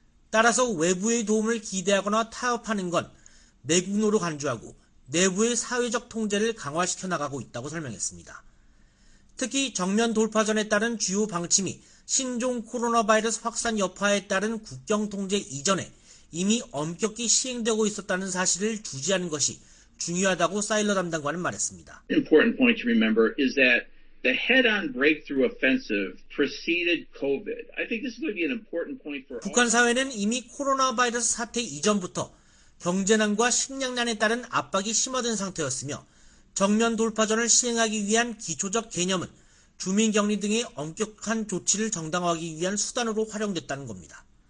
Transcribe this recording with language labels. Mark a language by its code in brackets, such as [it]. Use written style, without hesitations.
[ko] 따라서 외부의 도움을 기대하거나 타협하는 건 내국노로 간주하고 내부의 사회적 통제를 강화시켜 나가고 있다고 설명했습니다. 특히 정면 돌파전에 따른 주요 방침이 신종 코로나 바이러스 확산 여파에 따른 국경 통제 이전에 이미 엄격히 시행되고 있었다는 사실을 주지하는 것이 중요하다고 사일러 담당관은 말했습니다. [en] Important point to remember is that the head-on breakthrough offensive preceded COVID. I think this is going to be an important point for [ko] 북한 사회는 이미 코로나 바이러스 사태 이전부터 경제난과 식량난에 따른 압박이 심화된 상태였으며 정면 돌파전을 시행하기 위한 기초적 개념은 주민격리 등의 엄격한 조치를 정당화하기 위한 수단으로 활용됐다는 겁니다.